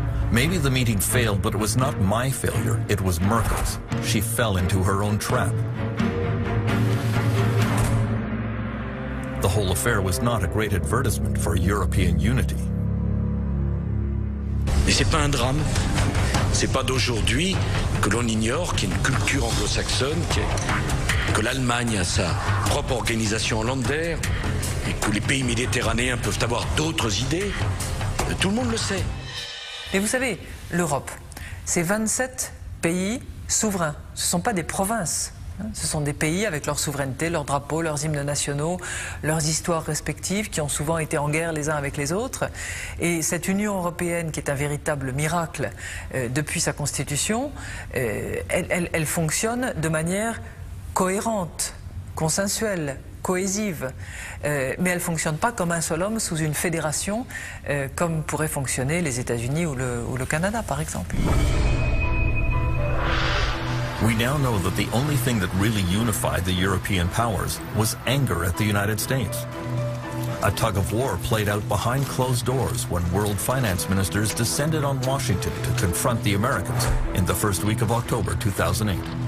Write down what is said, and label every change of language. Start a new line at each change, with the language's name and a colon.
English: Maybe the meeting failed, but it was not my failure, it was Merkel's. She fell into her own trap. The whole affair was not a great advertisement for European unity.
French: Et c'est pas un drame. C'est pas d'aujourd'hui que l'on ignore qu'il y a une culture anglo-saxonne, que l'Allemagne a sa propre organisation landaire, et que les pays méditerranéens peuvent avoir d'autres idées. Tout le monde le sait. Mais vous savez, l'Europe, c'est 27 pays souverains. Ce ne sont pas des provinces. Ce sont des pays avec leur souveraineté, leurs drapeaux, leurs hymnes nationaux, leurs histoires respectives qui ont souvent été en guerre les uns avec les autres. Et cette Union européenne, qui est un véritable miracle depuis sa constitution, elle fonctionne de manière cohérente, consensuelle, cohésive. Mais elle ne fonctionne pas comme un seul homme sous une fédération, comme pourraient fonctionner les États-Unis ou le Canada, par exemple.
English: We now know that the only thing that really unified the European powers was anger at the United States. A tug of war played out behind closed doors when world finance ministers descended on Washington to confront the Americans in the first week of October 2008.